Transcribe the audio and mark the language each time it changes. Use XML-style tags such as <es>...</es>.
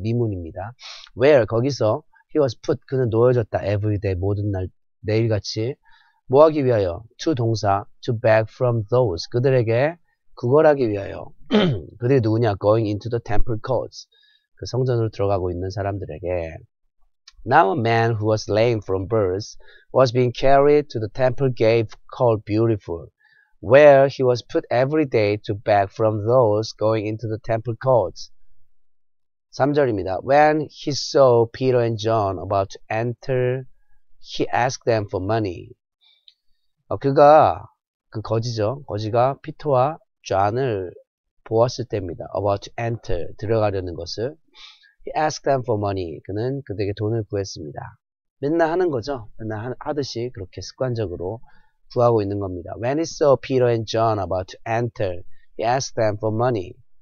<ko>미문입니다. Where? 거기서.</ko> <en>He was put.</en> <ko>그는 놓여졌다.</ko> <en>Every day.</en> <ko>모든 날. 매일같이. 뭐 하기 위하여? To 동사. To beg from those. 그들에게. 구걸하기 위하여.</ko> <en>그들이 누구냐? Going into the temple courts.</en> <ko>그 성전으로 들어가고 있는 사람들에게.</ko> <en>Now a man who was lame from birth was being carried to the temple gate called Beautiful, where he was put every day to beg from those going into the temple courts.</en> <ko>3절입니다.</ko> <en>When he saw Peter and John about to enter, he asked them for money.</en> <ko>그가 그 거지죠. 거지가 피터와 존을 보았을 때입니다.</ko> <en>About to enter, 들어가려는 것을. He asked them for money.</en> <ko>그는 그들에게 돈을 구했습니다. 맨날 하는 거죠. 맨날 하듯이 그렇게 습관적으로 구하고 있는 겁니다.</ko> <en>When he saw Peter and John about to enter, he asked them for money.</en>